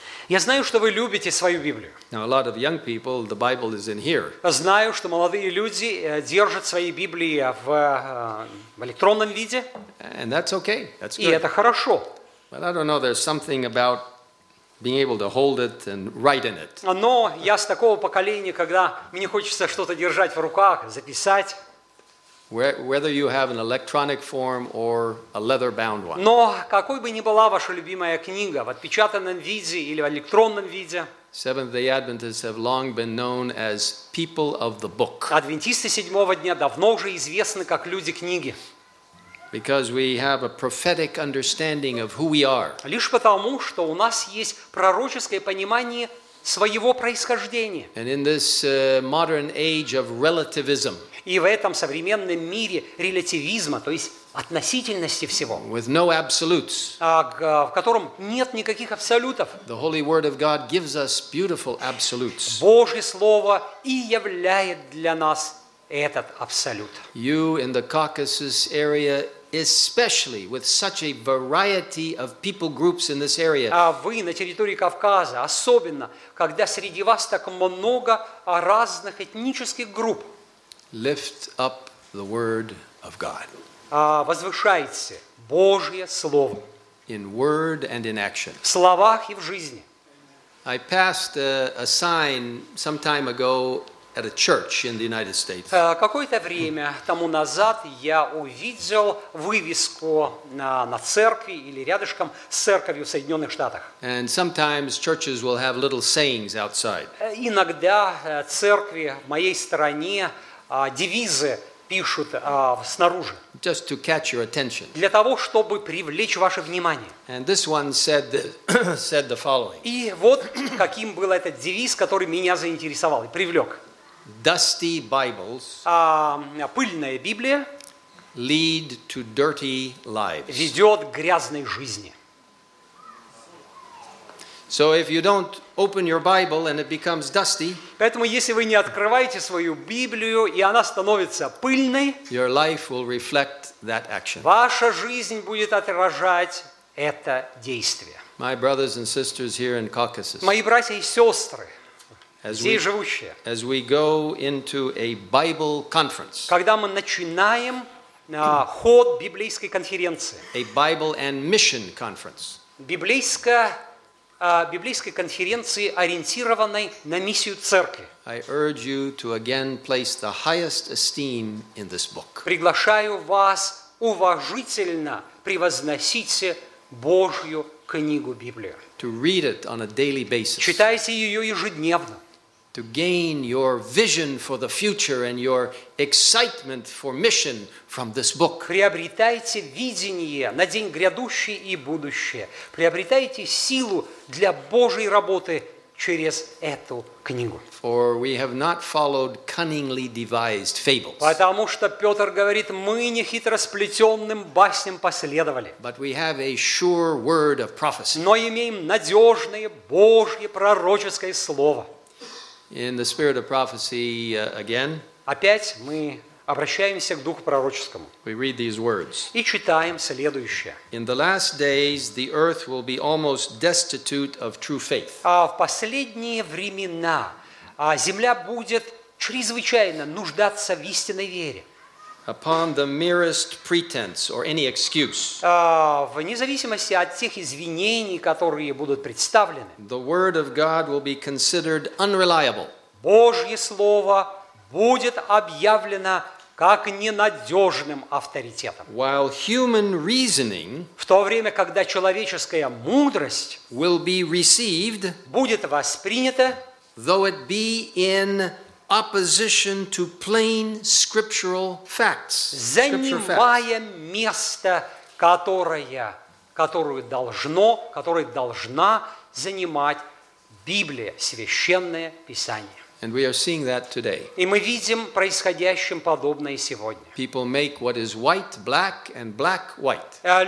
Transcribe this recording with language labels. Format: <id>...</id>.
<ru>Я знаю, что вы любите свою Библию.</ru> <en>Now, a lot of young people, the Bible is in here.</en> <ru>Знаю, что молодые люди держат свои Библии в электронном виде.</ru> <en>And that's okay. That's good.</en> <ru>И это хорошо.</ru> <en>But I don't know, there's something about being able to hold it and write in it.</en> <ru>Но я с такого поколения, когда мне хочется что-то держать в руках, записать.</ru> <en>Whether you have an electronic form or a leather-bound one.</en> <ru>Но какой бы ни была ваша любимая книга, в отпечатанном виде или в электронном виде.</ru> <en>Seventh-day Adventists have long been known as people of the book.</en> <ru>Адвентисты седьмого дня давно уже известны как люди книги.</ru> <en>Because we have a prophetic understanding of who we are.</en> <ru>Лишь потому, что у нас есть пророческое понимание своего происхождения.</ru> <en>And in this modern age of relativism.</en> <ru>И в этом современном мире релятивизма, то есть относительности всего,</ru> <en>with no absolutes,</en> <ru>в котором нет никаких абсолютов,</ru> <en>the Holy Word of God gives us beautiful absolutes.</en> <ru>Божье Слово и являет для нас этот абсолют.</ru> <en>You in the Caucasus area, especially with such a variety of people groups in this area.</en> <ru>А вы на территории Кавказа, особенно, когда среди вас так много разных этнических групп,</ru> <en>lift up the word of God.</en> <ru>Возвышайте Божье слово.</ru> <en>In word and in action.</en> <ru>В словах и в жизни.</ru> <en>I passed a sign some time ago at a church in the United States.</en> <ru>Какое-то время тому назад я увидел вывеску на церкви или рядышком с церковью в Соединённых Штатах.</ru> <en>And sometimes churches will have little sayings outside.</en> <ru>Иногда церкви в моей стране девизы пишут снаружи.</ru> <en>Just to catch your attention.</en> <ru>Для того, чтобы привлечь ваше внимание.</ru> <en>And this one said the following.</en> <ru>И вот каким был этот девиз, который меня заинтересовал и привлек.</ru> <en>Dusty Bibles.</en> <ru>Пыльная Библия.</ru> <en>Lead to dirty lives.</en> <ru>Ведет к грязной жизни.</ru> <en>So if you don't open your Bible and it becomes dusty,</en> <ru>поэтому если вы не открываете свою Библию и она становится пыльной,</ru> <en>your life will reflect that action.</en> <ru>Ваша жизнь будет отражать это действие.</ru> <en>My brothers and sisters here in Caucasus.</en> <ru>Мои братья и сестры, здесь живущие.</ru> <en>As we go into a Bible conference.</en> <ru>Когда мы начинаем ход библейской конференции.</ru> <en>A Bible and Mission conference.</en> <ru>Библейской конференции, ориентированной на миссию церкви.</ru> <en>I urge you to again place the highest esteem in this book.</en> <ru>Приглашаю вас уважительно превозносить Божью книгу Библию.</ru> <en>To read it on a daily basis.</en> <ru>Читайте ее ежедневно.</ru> <en>To gain your vision for the future and your excitement for mission from this book.</en> <ru>Приобретайте видение на день грядущий и будущее. Приобретайте силу для Божьей работы через эту книгу.</ru> <en>For we have not followed cunningly devised fables.</en> <ru>Потому что Петр говорит, мы не хитросплетенным басням последовали.</ru> <en>But we have a sure word of prophecy.</en> <ru>Но имеем надежное Божье пророческое слово.</ru> <en>In the spirit of prophecy, again.</en> <ru>Опять мы обращаемся к духу пророческому.</ru> <en>We read these words.</en> <ru>И читаем следующее.</ru> <en>In the last days, the earth will be almost destitute of true faith.</en> <ru>А в последние времена земля будет чрезвычайно нуждаться в истинной вере.</ru> <en>upon the merest pretense or any excuse.</en> <ru>Вне зависимости от тех извинений, которые будут представлены.</ru> <en>The word of God will be considered unreliable.</en> <ru>Божье слово будет объявлено как ненадежным авторитетом.</ru> <en>While human reasoning,</en> <ru>в то время, когда человеческая мудрость</ru> <en>will be received,</en> <ru>будет воспринята,</ru> <en>though it be in opposition to plain scriptural facts,</en> <ru>занимая место, которое должна занимать Библия, Священное Писание.</ru> <en>And we are seeing that today.</en> <ru>И мы видим происходящим подобное сегодня.</ru> <en>People make what is white black and black white.</en>